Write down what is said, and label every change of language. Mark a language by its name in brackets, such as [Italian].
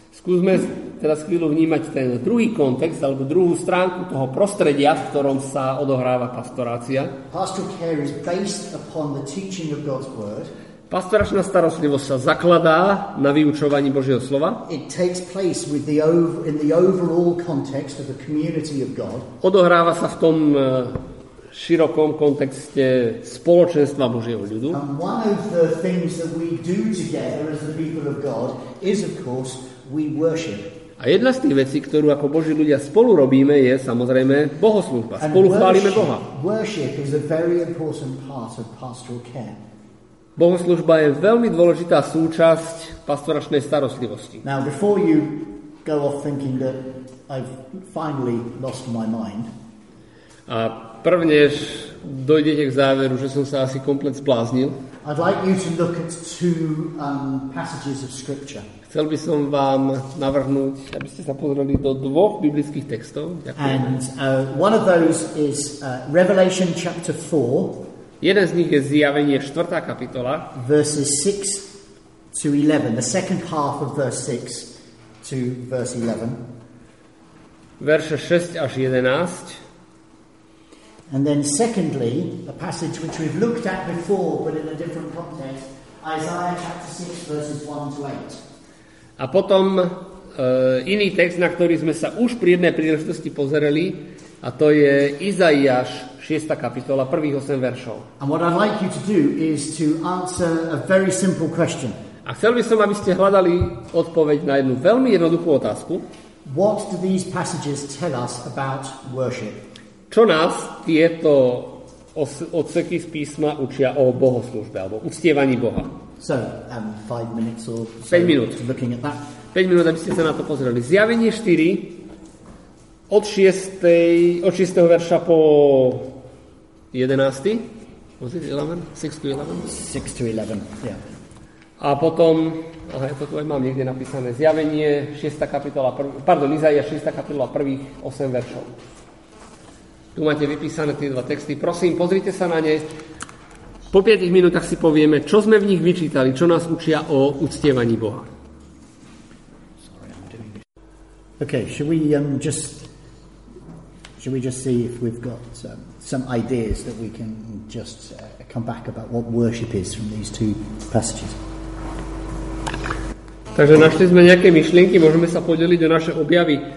[Slovak] Skúsme teraz chvíľu vnímať ten druhý kontext alebo druhú stránku toho prostredia, v ktorom sa odohráva pastorácia. [English] Pastoral care is based upon the teaching of God's word. [Slovak] Pastoračná starostlivosť sa zakladá na vyučovaní Božieho slova. [English] It takes place with the in the overall context of the community of God. [Slovak] Odohráva sa v tom širokom kontexte spoločenstva Božieho ľudu. [English] And one of the things that we do together as the people of God is of course we worship. [Slovak] A jedna z tých vecí, ktorú ako Boží ľudia spolu robíme, je samozrejme bohoslužba. Spolu chválime Boha. [English] Worship is a very important part of pastoral care. [Slovak] Bohoslužba je veľmi dôležitá súčasť pastoračnej starostlivosti. [English] Now before you go off thinking that I've finally lost my mind. [Slovak] A prvnež dojdete k záveru, že som sa asi komplet zbláznil. [English] I'd like you to look at two passages of scripture. [Slovak] Chcel by som vám navrhnúť, aby ste sa pozreli do dvoch biblických textov. Ďakujem. [English] And one of those is Revelation chapter 4. [Slovak] Jeden z nich je Zjavenie 4. kapitola. [English] Verses 6 to 11. The second half of verse 6 to verse 11. [Slovak] Verše 6 až 11. [English] And then secondly, a passage which we've looked at before, but in a different context, Isaiah chapter 6, verses 1 to 8. [Slovak] A potom iný text, na ktorý sme sa už pri jednej príležitosti pozerali, a to je Izaiáš 6. kapitola, prvých 8 veršov. [English] And what I'd like you to do is to answer a very simple question. [Slovak] A chcel by som, aby ste hľadali odpoveď na jednu veľmi jednoduchú otázku. [English] What do these passages tell us about worship? [Slovak] Čo nás tieto odseky z písma učia o bohoslužbe alebo uctievaní Boha? [English] So, 5 minutes or so 5 [Slovak] minút. [English] Looking at that. [Slovak] 5 minút, aby ste sa na to pozreli. Zjavenie 4 od 6. od 6. verša po 11. [English] Was it 11? 6 to 11? 6 to 11. Yeah. [Slovak] A potom, aha, ja to tu aj mám niekde napísané. Zjavenie 6. kapitola, pardon, Izaia 6. kapitola, prvých 8 veršov. Tu máte vypísané tie dva texty. Prosím, pozrite sa na ne. Po 5 minútach si povieme, čo sme v nich vyčítali, čo nás učia o uctievaní Boha. [English] Okay, should we just see if we've got some ideas that we can just come back about what worship is from these two passages. [Slovak] Takže našli sme nejaké myšlienky, môžeme sa podeliť o naše objavy.